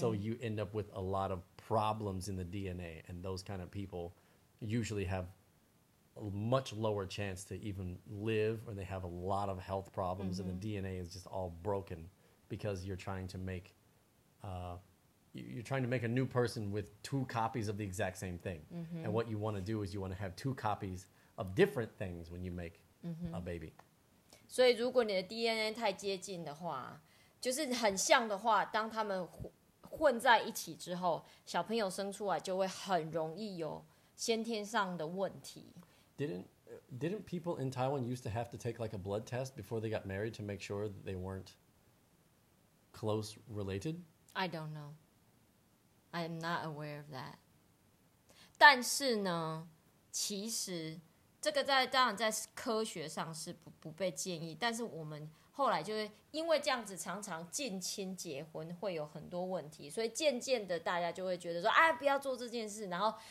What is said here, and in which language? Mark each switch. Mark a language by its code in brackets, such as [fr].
[en] so you end up with a lot of problems in the DNA, and those kind of people usually have a much lower chance to even live, or they have a lot of health problems, mm-hmm. and the DNA is just all broken because you're trying to make a new person with two copies of the exact same thing. Mm-hmm. And what you want to do is you want to have two copies of different things when you make mm-hmm. a baby. [zh] 所以如果你的 DNA 太接近的话, 就是很像的话, 当他们 混在一起之后, 小朋友生出来就会很容易有 先天上的问题。 [en] Didn't people in Taiwan used to have to take like a blood test before they got married to make sure that they weren't close related? I don't know. I am not aware of that. [zh] 但是呢, 其实 这个在当然在科学上是不被建议，但是我们后来就是因为这样子常常近亲结婚会有很多问题，所以渐渐的大家就会觉得说，哎，不要做这件事，然后